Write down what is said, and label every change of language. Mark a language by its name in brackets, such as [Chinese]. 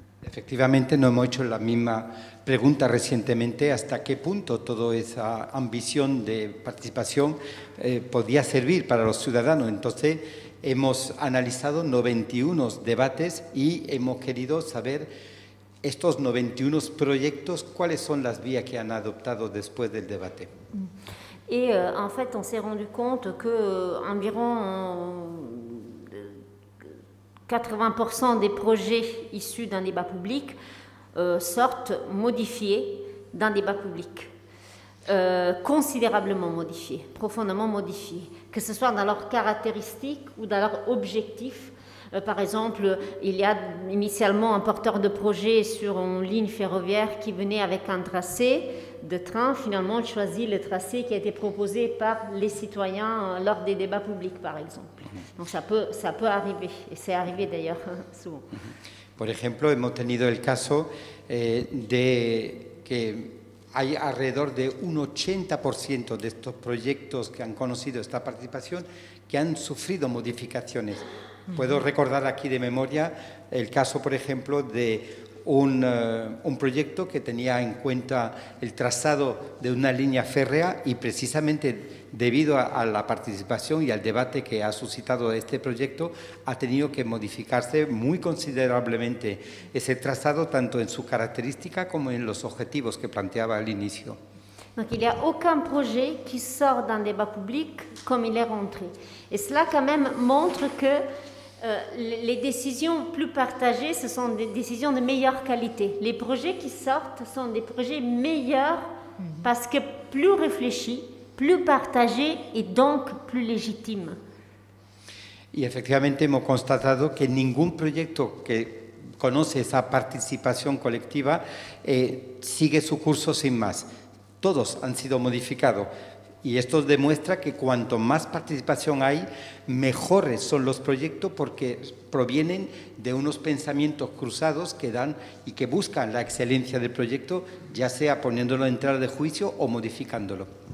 [Spanish] Efectivamente, no hemos hecho la misma pregunta recientemente, hasta qué punto toda esa ambición de participación podía servir para los ciudadanos. Entonces, hemos analizado 91 debates y hemos querido saber estos 91 proyectos, cuáles son las vías que han adoptado después del debate. [French] Y, en fait, on s'est rendu compte que environ 80% des projets issus d'un débat public sortent modifiés d'un débat public, considérablement modifiés, profondément modifiés, que ce soit dans leurs caractéristiques ou dans leurs objectifs. Par exemple, il y a initialement un porteur de projet sur une ligne ferroviaire qui venait avec un tracé de train. Finalement, il choisit le tracé qui a été proposé par les citoyens lors des débats publics, par exemple. Donc ça peut arriver, et c'est arrivé d'ailleurs souvent. [Spanish] Por ejemplo, hemos tenido el caso de que hay alrededor de un 80% de estos proyectos que han conocido esta participación que han sufrido modificaciones. Puedo recordar aquí de memoria el caso, por ejemplo, de un proyecto que tenía en cuenta el trazado de una línea férrea y precisamente debido a la participación y al debate que ha suscitado este proyecto ha tenido que modificarse muy considerablemente ese trazado, tanto en su característica como en los objetivos que planteaba al inicio. [French] Donc il n'y a aucun projet qui sort d'un débat public comme il est rentré. Et cela quand même montre que les décisions plus partagées, ce sont des décisions de meilleure qualité. Les projets qui sortent sont des projets meilleurs parce que plus réfléchis, plus partagés et donc plus légitimes. Et effectivement, nous avons constaté que aucun projet qui connaît cette participation collective suit son cours sans plus. [Spanish] Todos han sido modificados y esto demuestra que cuanto más participación hay, mejores son los proyectos porque provienen de unos pensamientos cruzados que dan y que buscan la excelencia del proyecto, ya sea poniéndolo en tela de juicio o modificándolo.